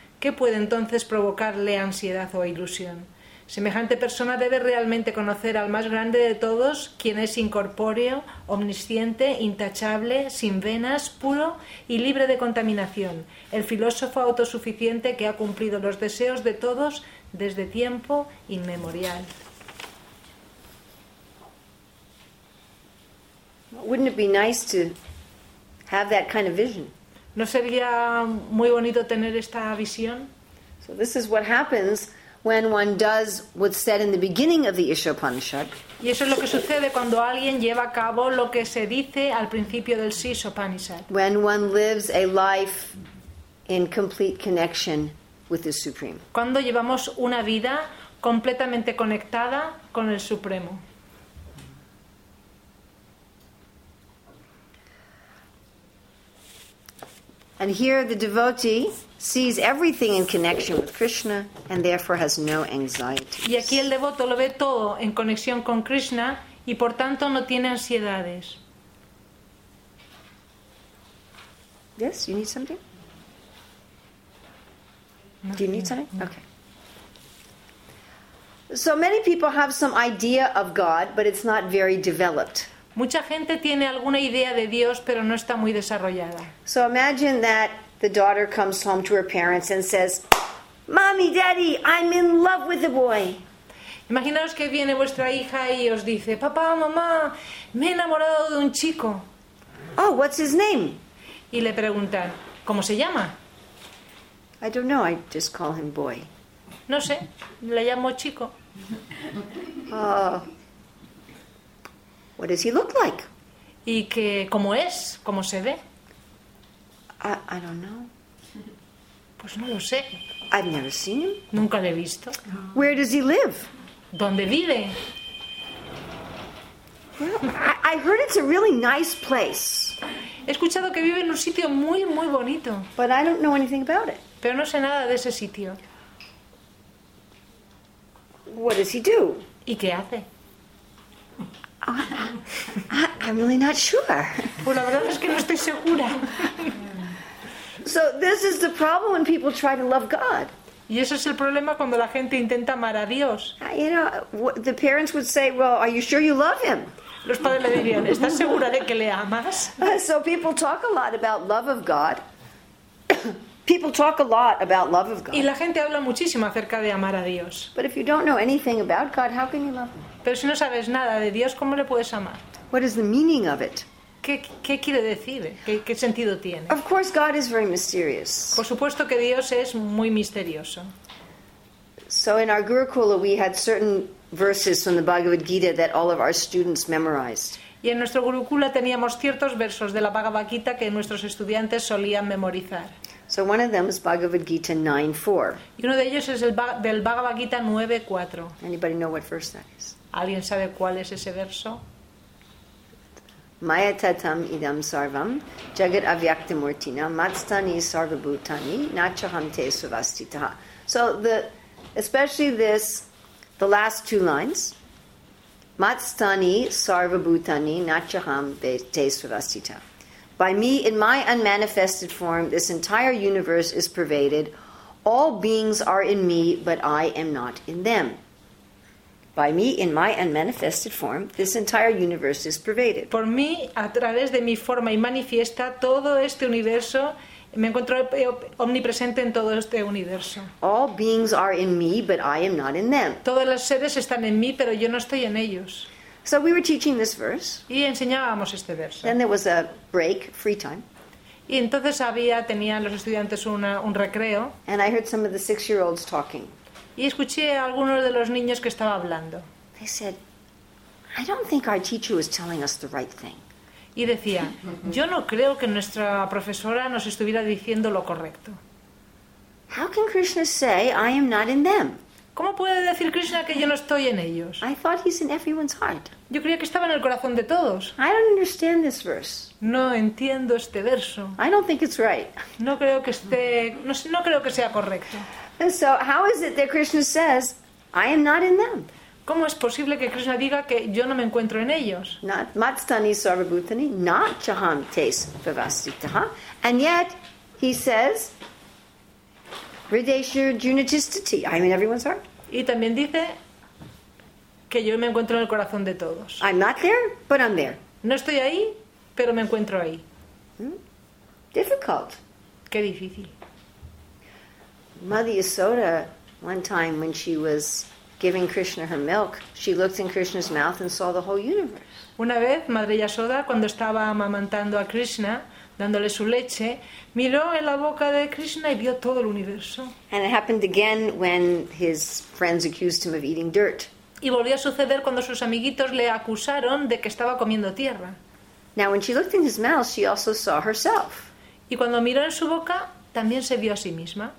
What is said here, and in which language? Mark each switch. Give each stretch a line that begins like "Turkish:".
Spanish: ¿Qué puede entonces provocarle ansiedad o ilusión? Semejante persona debe realmente conocer al más grande de todos, quien es incorpóreo, omnisciente, intachable, sin venas, puro y libre de contaminación, el filósofo autosuficiente que ha cumplido los deseos de todos desde tiempo inmemorial.
English: Wouldn't it be nice to have that kind of vision?
Spanish: ¿No sería muy bonito tener esta visión?
English: So this is what happens when one does what's said in the beginning of the Isha-Upanishad.
Spanish: Y eso es lo que sucede cuando alguien lleva a cabo lo que se dice al principio del Sish-Upanishad.
English: When one lives a life in complete connection with the Supreme.
Spanish: Cuando llevamos una vida completamente conectada con el Supremo.
English: And here the devotee sees everything in connection with Krishna and therefore has no anxiety.
Spanish: Y aquí el devoto lo ve todo en conexión con Krishna y por tanto no tiene ansiedades.
English: Yes, you need something? Do you need something? Okay. So many people have some idea of God, but it's not very developed.
Spanish: Mucha gente tiene alguna idea de Dios, pero no está muy desarrollada.
English: So imagine that the daughter comes home to her parents and says, "Mommy, Daddy, I'm in love with the boy."
Spanish: Imaginaos que viene vuestra hija y os dice, "Papá, mamá, me he enamorado de un chico."
English: "Oh, what's his name?"
Spanish: Y le preguntan, ¿Cómo se llama?
English: I don't know, I just call him boy.
Spanish: No sé, le llamo chico.
English: What does he look like?
Spanish: ¿Y qué, cómo es? ¿Cómo se ve?
English: I don't know.
Spanish: Pues no lo sé.
English: I've never seen him.
Spanish: Nunca le he visto.
English: Where does he live?
Spanish: ¿Dónde vive?
English: Well, I heard it's a really nice place.
Spanish: He escuchado que vive en un sitio muy, muy bonito.
English: But I don't know anything about it.
Spanish: Pero no sé nada de ese sitio.
English: What does he do?
Spanish: ¿Y qué hace?
English: I'm really not sure.
Spanish: Pues la verdad es que no estoy segura.
English: So this is the problem when people try to love God.
Spanish: Y ese es el problema cuando la gente intenta amar a Dios.
English: You know, the parents would say, "Well, are you sure you love him?"
Spanish: Los padres le dirían, ¿estás segura de que le amas?
English: So people talk a lot about love of God. People talk a lot about love of God.
Spanish: Y la gente habla muchísimo acerca de amar a Dios.
English: But if you don't know anything about God, how can you love him?
Spanish: Pero si no sabes nada de Dios, ¿cómo le puedes amar?
English: What is the meaning of it?
Spanish: ¿Qué quiere decir? ¿Qué sentido tiene?
English: Of course God is very mysterious.
Spanish: Por supuesto que Dios es muy misterioso.
English: So in our Gurukula we had certain verses from the Bhagavad Gita that all of our students memorized.
Spanish: Y en nuestro Gurukula teníamos ciertos versos de la Bhagavad Gita que nuestros estudiantes solían memorizar.
English: So one of them is Bhagavad Gita 9:4.
Spanish: Y uno de ellos es del Bhagavad Gita 9:4.
English: Anybody know what verse that is?
Spanish: ¿Alguien sabe cuál es ese verso?
Sanskrit: Maya tatam idam sarvam jagat avyaktamurtina matstani sarvabhutani nachahamte suvastitaha.
English: So the last two lines,
Sanskrit: matstani sarvabhutani nachahamte suvastitaha.
English: By me, in my unmanifested form, this entire universe is pervaded. All beings are in me, but I am not in them. By me, in my unmanifested form, this entire universe is pervaded.
Spanish: Por mí, a través de mi forma y manifiesta, todo este universo, me encuentro omnipresente en todo este universo.
English: All beings are in me, but I am not in them.
Spanish: Todos los seres están en mí, pero yo no estoy en ellos.
English: So we were teaching this verse.
Spanish: Y enseñábamos este verso.
English: Then there was a break, free time.
Spanish: Y entonces tenían los estudiantes un recreo.
English: And I heard some of the six-year-olds talking.
Spanish: Y escuché a algunos de los niños que estaba hablando.
English: They said, "I don't think our teacher was telling us the right thing."
Spanish: Y decía, "Yo no creo que nuestra profesora nos estuviera diciendo lo correcto."
English: How can Krishna say I am not in them?
Spanish: ¿Cómo puede decir Krishna que yo no estoy en ellos?
English: I thought he's in everyone's heart.
Spanish: Yo creía que estaba en el corazón de todos.
English: I don't understand this verse.
Spanish: No entiendo este verso.
English: I don't think it's right.
Spanish: No creo que sea correcto.
English: So how is it that Krishna says I am not in them?
Spanish: ¿Cómo es posible que Krishna diga que yo no me encuentro en ellos?
English: Not
Sanskrit: matstani sarvabhutani,
English: not
Sanskrit: chaham tes vivastitaha,
English: and yet he says
Sanskrit: hridayeshu junajistati,
English: I'm in everyone's heart.
Spanish: Y también dice que yo me encuentro en el corazón de todos.
English: I'm not there, but I'm there.
Spanish: No estoy ahí, pero me encuentro ahí.
English: Difficult.
Spanish: Qué difícil.
English: Mother Yasoda, one time when she was giving Krishna her milk, she looked in Krishna's mouth and saw the whole universe.
Spanish: Una vez, Madre Yasoda, cuando estaba amamantando a Krishna, dándole su leche, miró en la boca de Krishna y vio todo el universo.
English: And it happened again when his friends accused him of eating dirt.
Spanish: Y volvió a suceder cuando sus amiguitos le acusaron de que estaba comiendo tierra.
English: Now when she looked in his mouth, she also saw herself.
Spanish: Y cuando miró en su boca, también se vio a sí misma.